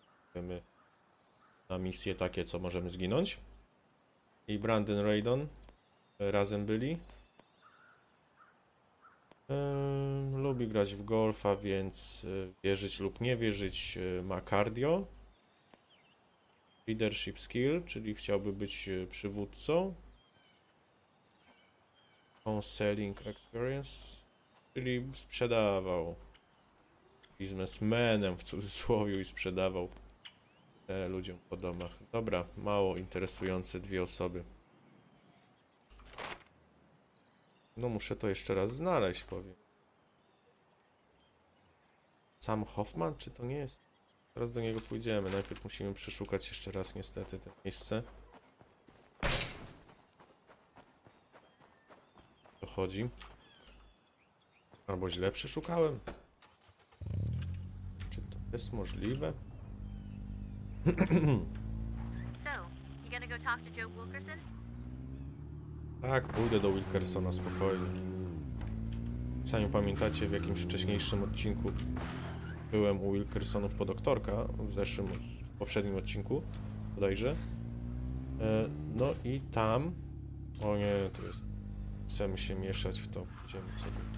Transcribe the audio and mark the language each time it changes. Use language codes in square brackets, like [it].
[pl] Idziemy na misje takie, co możemy zginąć. I Brandon Raydon. Razem byli. Lubi grać w golfa, więc wierzyć lub nie wierzyć ma cardio. [en] Leadership skill, [pl] czyli chciałby być przywódcą. [en] Counseling experience. [pl] Czyli sprzedawał, biznesmenem w cudzysłowie, i sprzedawał ludziom po domach. Dobra, mało interesujące dwie osoby. No muszę to jeszcze raz znaleźć, powiem. Sam Hoffman, czy to nie jest? Teraz do niego pójdziemy, najpierw musimy przeszukać jeszcze raz niestety to miejsce. To chodzi. Albo źle przeszukałem. Czy to jest możliwe? [en] So, you gonna go talk to Joe Wilkerson? [pl] Tak, pójdę do Wilkersona spokojnie. Sami pamiętacie, w jakimś wcześniejszym odcinku byłem u Wilkersonów po doktorka, w poprzednim odcinku bodajże. No i tam... O nie, to jest... Chcemy się mieszać w to, idziemy sobie.